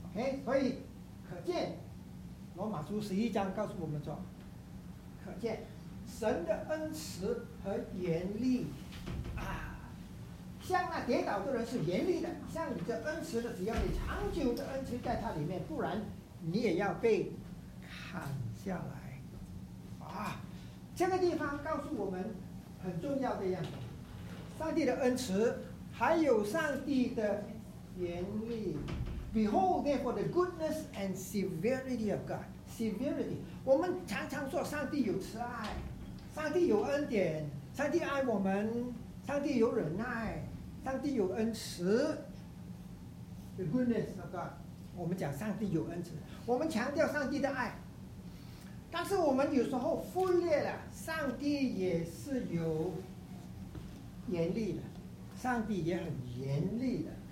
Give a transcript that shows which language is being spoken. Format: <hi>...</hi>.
<zh>OK， 所以可见罗马书十一章告诉我们说，可见神的恩慈和严厉啊，像那跌倒的人是严厉的，像你这恩慈的，只要你长久的恩慈在他里面，不然你也要被砍下来啊。这个地方告诉我们很重要的样子，上帝的恩慈还有上帝的严厉。</zh> <en>Behold therefore the goodness and severity of God.</en> <zh>Severity， 我们常常说上帝有慈爱，上帝有恩典，上帝爱我们，上帝有忍耐，上帝有恩慈。</zh> <en>The goodness of God，</en> <zh>我们讲上帝有恩慈，我们强调上帝的爱，但是我们有时候忽略了上帝也是有严厉的，上帝也很严厉的。</zh>